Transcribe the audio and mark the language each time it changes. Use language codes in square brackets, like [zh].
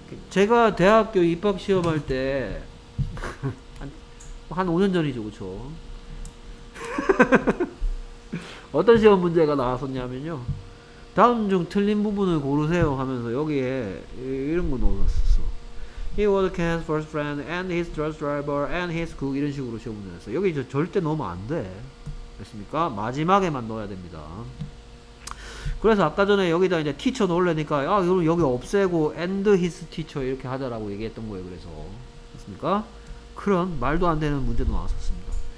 [ko] 제가 대학교 입학시험 할 때, 한 5년 전이죠, 그쵸? 어떤 시험 문제가 나왔었냐면요. 다음 중 틀린 부분을 고르세요 하면서 여기에 이런 거 넣었었어. [en] He was Kenneth's first friend, and his trusty driver, and his cook. [ko] 이런 식으로 시험 문제 했어. 여기 절대 넣으면 안 돼. 됐습니까? 마지막에만 넣어야 됩니다. 그래서 아까 전에 여기다 이제 teacher 넣으려니까 아 그럼 여기 없애고 [en] and his teacher [ko] 이렇게 하자라고 얘기했던 거예요. 그래서 됐습니까? 그런 말도 안 되는 문제도 나왔었습니다.